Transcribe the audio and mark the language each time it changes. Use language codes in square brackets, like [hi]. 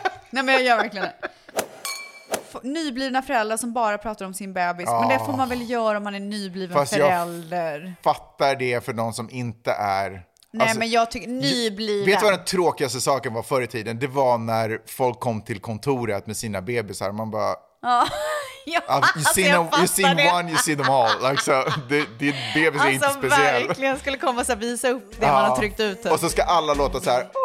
[sv] Nej, men jag gör verkligen det. Nyblivna föräldrar som bara pratar om sin bebis. Men det får man väl göra om man är nybliven fast förälder. Jag fattar det för någon som inte är. Nej, alltså, men jag tycker nybliven. Vet du vad den tråkigaste saken var förr i tiden? Det var när folk kom till kontoret med sina bebisar. Man bara ja, [en] you've seen one, you see them all. Like, so, [sv] det bebis alltså, är inte speciell. Alltså verkligen skulle komma och visa upp det man har tryckt ut. Och så ska alla låta så här.